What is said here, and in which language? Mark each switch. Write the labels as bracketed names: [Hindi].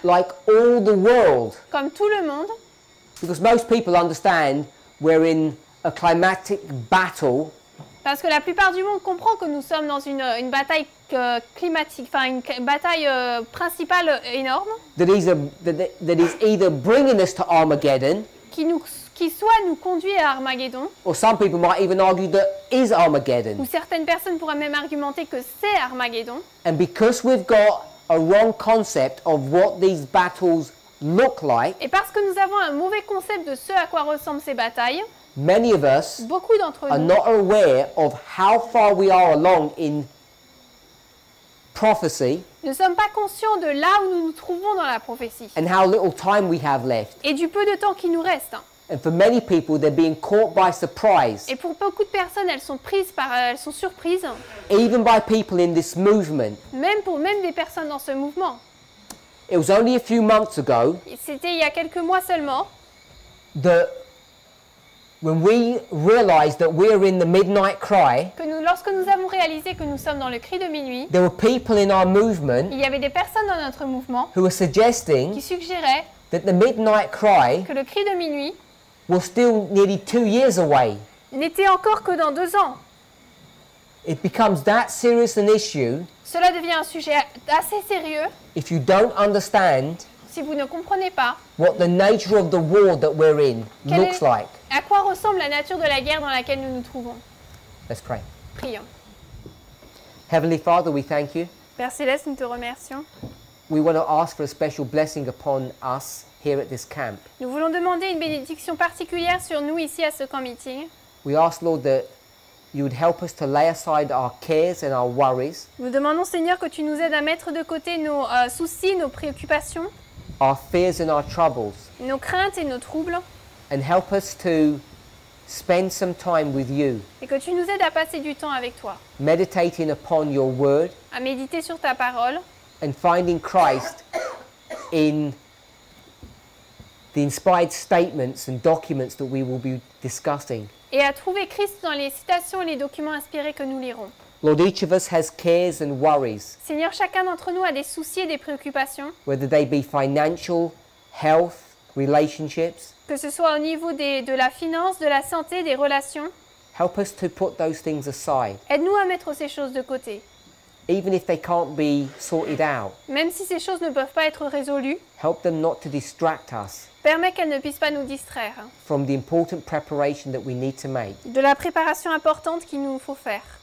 [English] Like all the world. [French] Comme tout le monde. [English] Because most people understand we're in a climatic battle. [French] Parce que la plupart du monde comprend que nous sommes dans une bataille climatique, enfin une bataille principale énorme. [English] That is either bringing us to Armageddon. [French] Qui soit nous conduit à Armageddon. [English] Or some people might even argue that is Armageddon. [French] Ou certaines personnes pourraient même argumenter que c'est Armageddon. [English] And because we've got a wrong concept of what these battles look like. [French] Et parce que nous avons un mauvais concept de ce à quoi ressemblent ces batailles. [English] Many of us [French] beaucoup d'entre nous [English] are not aware of how far we are along in prophecy. [French] Ne sommes pas conscients de là où nous nous trouvons dans la prophétie. [English] And how little time we have left. [French] Et du peu de temps qui nous reste. [English] And for many people, they're being caught by surprise. [French] Et pour beaucoup de personnes, elles sont surprises. [English] Even by people in this movement. [French] Même des personnes dans ce mouvement. [English] It was only a few months ago. [French] C'était il y a quelques mois seulement. [English] When we realized that we are in the midnight cry, [French] lorsque nous avons réalisé que nous sommes dans le cri de minuit, [English] there were people in our movement, [French] il y avait des personnes dans notre mouvement, [English] who were suggesting, [French] qui suggéraient, [English] that the midnight cry, [French] que le cri de minuit, [English] was still nearly 2 years away, [French] n'était encore que dans 2 ans. [English] It becomes that serious an issue, [French] cela devient un sujet assez sérieux, [English] if you don't understand, [French] si vous ne comprenez pas, [English] what the nature of the war that we're in looks like. [French] À quoi ressemble la nature de la guerre dans laquelle nous nous trouvons? [English] Let's pray. [French] Prions. [English] Heavenly Father, we thank you. [French] Père Céleste, nous te remercions. [English] We want to ask for a special blessing upon us here at this camp. [French] Nous voulons demander une bénédiction particulière sur nous ici à ce camp meeting. [English] We ask, Lord, that you would help us to lay aside our cares and our worries. [French] Nous demandons, Seigneur, que tu nous aides à mettre de côté nos soucis, nos préoccupations. [English] Our fears and our troubles. [French] Nos craintes et nos troubles. [English] And help us to spend some time with you. [French] Et que tu nous aides à passer du temps avec toi. [English] Meditating upon your word. [French] À méditer sur ta parole. [English] And finding Christ in the inspired statements and documents that we will be discussing. [French] Et à trouver Christ dans les citations et les documents inspirés que nous lirons. [English] Lord, each of us has cares and worries. [French] Seigneur, chacun d'entre nous a des soucis et des préoccupations. [English] Whether they be financial, health, relationships. [French] Que ce soit au niveau de la finance, de la santé, des relations. [English] Help us to put those things aside. [French] Aide-nous à mettre ces choses de côté. [English] Even if they can't be sorted out. [French] Même si ces choses ne peuvent pas être résolues. [English] Help them not to distract us. [French] Permet qu'elles ne puissent pas nous distraire. [English] From the important preparation that we need to make. [French] De la préparation importante qu'il nous faut faire.